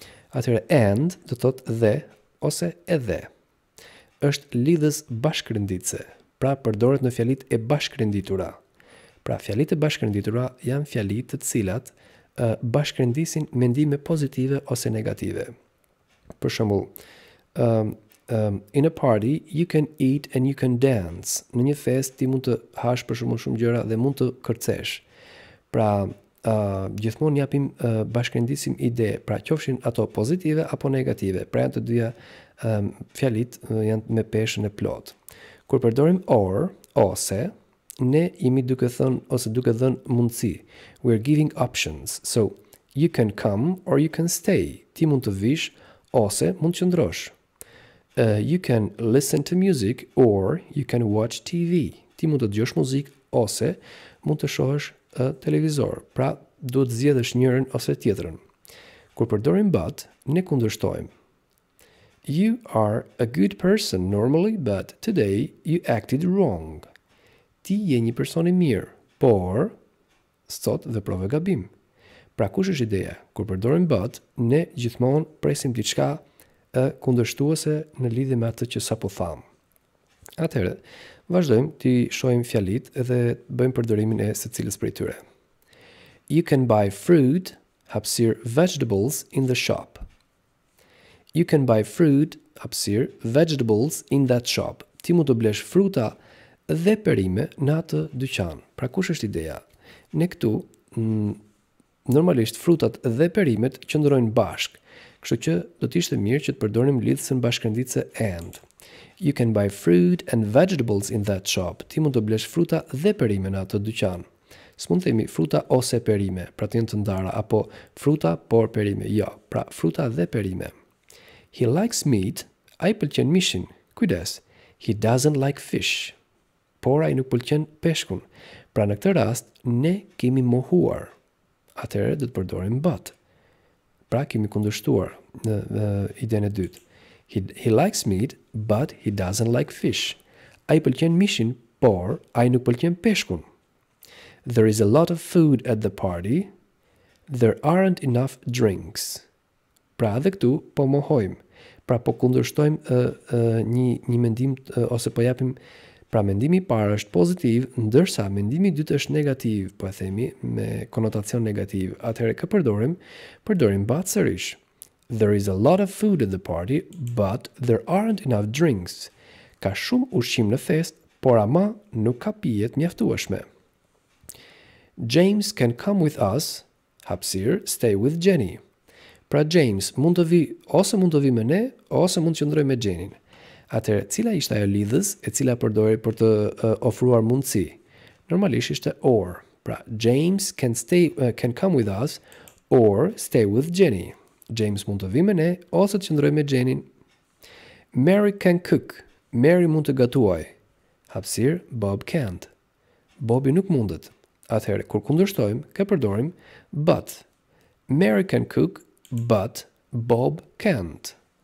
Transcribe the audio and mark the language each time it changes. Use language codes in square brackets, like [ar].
[sq] Atëherë and do thotë dhe ose edhe. Është lidhës bashkërenditëse, pra përdoret në fjalit e bashkërenditura. Pra, fjalit e bashkërenditura janë fjalit të cilat bashkërendisin mendime pozitive ose negative. Për shembull, [en] in a party, you can eat and you can dance. [sq] Në një fest, ti mund të hash për shumë gjëra dhe mund të kërcesh. Pra, gjithmonë japim bashkërendisim ide, pra qofshin ato pozitive apo negative. Pra, janë të dyja fjalit janë me peshën e plot. Kur përdorim or, ose, ne jemi duke thënë ose duke dhënë mundësi. [en] We're giving options. So, you can come or you can stay. [sq] Ti mund të vish ose mund të qëndrosh. [en] You can listen to music or you can watch TV. [sq] Ti mund të dëgjosh muzikë ose mund të shohësh televizor. Pra, duhet të zgjedhësh njërin ose tjetrin. Kur përdorim but, ne kundërshtojmë. [en] You are a good person normally, but today you acted wrong. [sq] Ti je një person I mirë, por sot veprove gabim. Pra, kush është ideja? Kur përdorim but, ne gjithmonë presim diçka e kundërshtuese në lidhje me atë që sapo tham. Atëherë, vazhdojmë të shohim fjalitë dhe bëjmë përdorimin e secilës prej tyre. [en] You can buy fruit, hapësir vegetables in the shop. You can buy fruit, hapësir vegetables in that shop. [sq] Ti mund të blesh fruta dhe perime në atë dyqan. Pra kush është ideja? Ne këtu normalisht frutat dhe perimet qëndrojnë bashkë. Kështu që do të ishte mirë që të përdorim lidhësën bashkërendice and. [en] You can buy fruit and vegetables in that shop. [sq] Ti mund të blesh fruta dhe perime në atë dyqan. S'mund të themi fruta ose perime, pra të jenë të ndara, apo fruta por perime. Jo, pra fruta dhe perime. [en] He likes meat, [sq] a I pëlqen mishin. Kujdes, [en] he doesn't like fish. [sq] Por a I nuk pëlqen peshkun. Pra në këtë rast, ne kemi mohuar. Atëherë do të përdorim but. Pra kemi kundërshtuar në idenë e dytë. [en] He likes meat, but he doesn't like fish. [sq] Ai pëlqen mishin, por ai nuk pëlqen peshkun. [en] There is a lot of food at the party. There aren't enough drinks. [sq] Pra edhe këtu po mohojmë. Pra po kundërshtojmë një mendim ose po japim pra mendimi I parë është pozitiv, ndërsa mendimi I dytë është negativ, po e themi me konotacion negativ. Atëherë kë përdorim? Përdorim but sërish. [en] There is a lot of food at the party, but there aren't enough drinks. [sq] Ka shumë ushqim në fest, por ama nuk ka pije të mjaftueshme. [en] James can come with us. Hapësir, stay with Jenny. [sq] Pra James mund të vi ose mund të vi me ne ose mund të qëndroj me Jenny. Atëherë, cila ishte ajo lidhës e cila përdori për të ofruar mundësi? Normalisht ishte or. [en] Pra, James can stay can come with us or stay with Jenny. [sq] James mund të vi me ne ose të qëndroj me Jenny. [en] Mary can cook. [sq] Mary mund të gatuaj. Hapësir, [en] Bob can't. [sq] Bobi nuk mundet. Atëherë, kur kundërshtojmë, kë përdorim but. [en] Mary can cook, but Bob can't.